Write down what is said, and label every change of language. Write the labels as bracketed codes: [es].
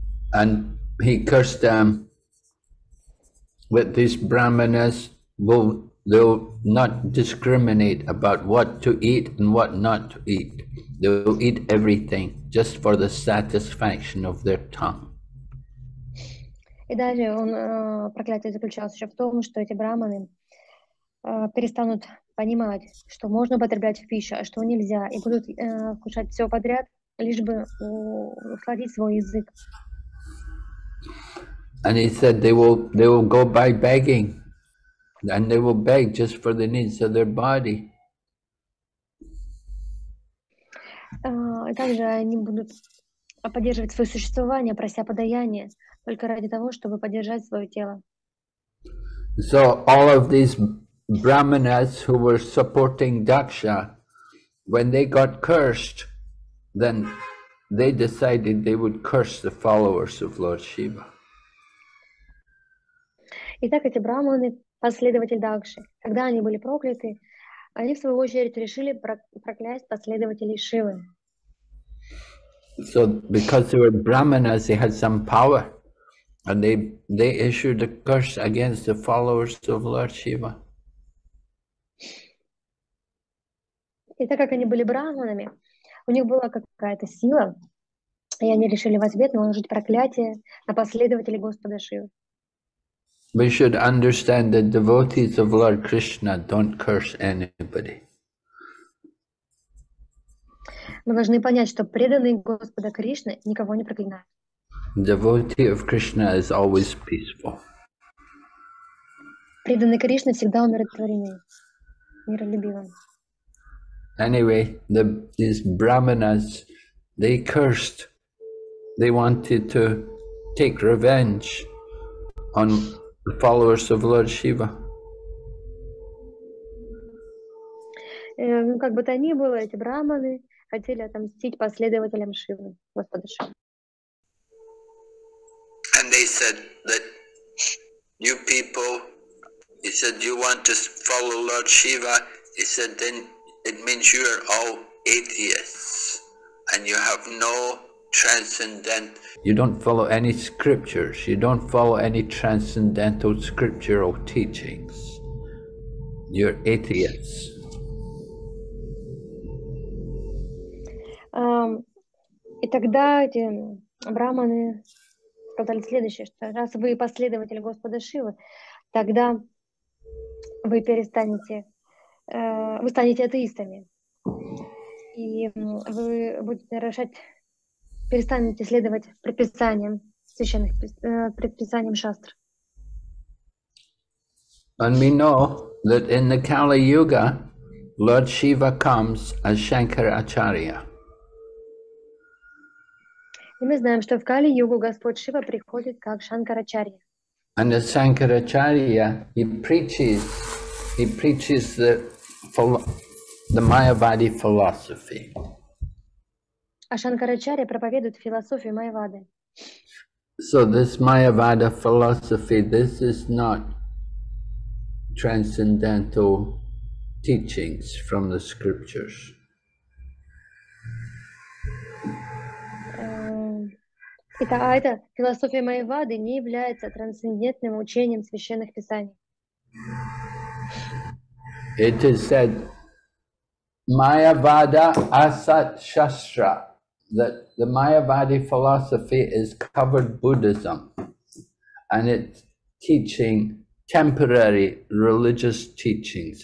[en] And he cursed them with these brahmanas. Will They will not discriminate about what to eat and what not to eat. They will eat everything just for the satisfaction of their tongue. [ru] И далее он, проклятие заключалось еще в том, что эти браманы перестанут понимать, что можно употреблять в пищу, а что нельзя, и будут кушать все подряд, лишь бы охладить свой язык. [en] And he said they will go by begging, and they will beg just for the needs of their body. [ru] Также они будут поддерживать свое существование, прося подаяние, только ради того, чтобы поддержать свое тело. [en] So all of these brahmanas who were supporting Daksha, when they got cursed, then they decided they would curse the followers of Lord Shiva. [ru] Итак, эти брахманы, последователи Дакши, когда они были прокляты, они в свою очередь решили проклясть последователей Шивы. [en] So because they were brahmanas, they had some power, and they issued a curse against the followers of Lord Shiva. [ru] И так как они были брахманами, у них была какая-то сила, и они решили в ответ наложить проклятие на последователей Господа Шивы. [en] We should understand that devotees of Lord Krishna don't curse anybody. [ru] Мы должны понять, что преданные Господа Кришны никого не проклинают. [en] Devotee of Krishna is always peaceful. [ru] Преданный Кришна всегда умиротворенный, миролюбивый. [en] Anyway, these brahmanas, they cursed. They wanted to take revenge on the followers of Lord Shiva. [ru] Как бы то ни было, эти брахманы хотели отомстить последователям Шивы, Господа Шивы. [en] And they said that you people, he said, you want to follow Lord Shiva. He said, then it means you are all atheists and you have no transcendent. You don't follow any scriptures. You don't follow any transcendental scriptural teachings. You're atheists. [ru] И тогда эти брахманы сказали следующее, что раз вы последователи Господа Шивы, тогда вы перестанете, вы станете атеистами. И вы будете нарушать, перестанете следовать предписаниям священных, предписаниям шастр. [en] And we know that in the Kali Yuga, Lord Shiva comes as Shankara Acharya. [ru] И мы знаем, что в Кали-югу Господь Шива приходит как Шанкарачарья. [en] And as Shankaracharya, he preaches the Mayavadi philosophy. [ru] А Шанкарачарья проповедует философию Майявады. [en] So this Mayavada philosophy, this is not transcendental teachings from the scriptures. [ru] Это философия Майявады не является трансцендентным учением священных писаний. [en] It is said Mayavada Asat Shastra, that the Mayavadi philosophy is covered Buddhism, and it's teaching temporary religious teachings.